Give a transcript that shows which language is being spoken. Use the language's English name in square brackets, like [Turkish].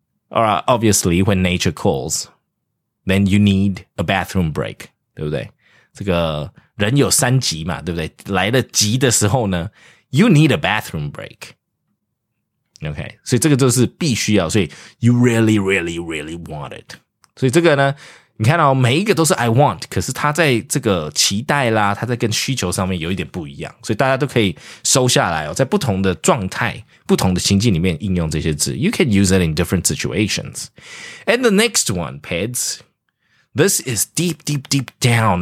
[English] All right, obviously, when nature calls, then you need a bathroom break, [Chinese] 对不对？这个人有三急嘛，对不对？来了急的时候呢， [English] you need a bathroom break. Okay, [Chinese] 所以这个就是必须要，所以 [English] you really, really, really want it. [Chinese] 所以这个呢，你看到、哦、每一个都是 I want, 可是它在这个期待啦，它在跟需求上面有一点不一样，所以大家都可以收下来哦，在不同的状态、不同的情境里面应用这些字。 [English] You can use it in different situations. And the next one, Peds, this is deep, deep, deep down.